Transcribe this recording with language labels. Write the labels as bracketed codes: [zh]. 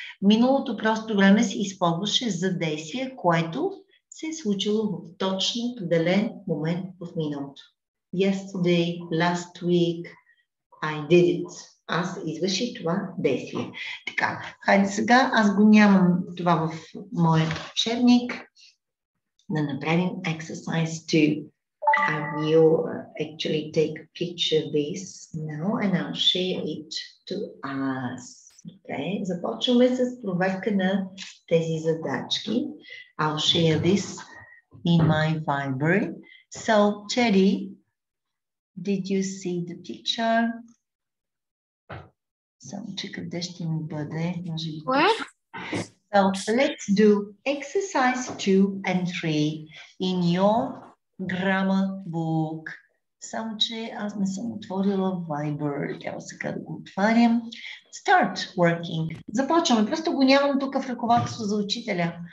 [bg] Миналото просто време се използваше за действие, което се е случило в точно определен момент в миналото. [en] Yesterday, last week, I did it. [bg] Аз извърших това действие. Така, хайде сега, аз го нямам това в моят учебник, да направим exercise 2. [en] I will actually take a picture of this now and I'll share it to us. Okay. [bg] Започваме с проверка на тези задачки. [en] I'll share this in my Viber. So, Teddy, did you see the picture? [bg] Само че къде ще ми бъде? Може би. [en] So, let's do exercise 2 and 3 in your grammar book. [bg] Само че аз не съм отворила Viber. Трябва сега да го отварям. [en] Start working. [bg] Започваме. Просто го нямам тук в ръководство за учителя.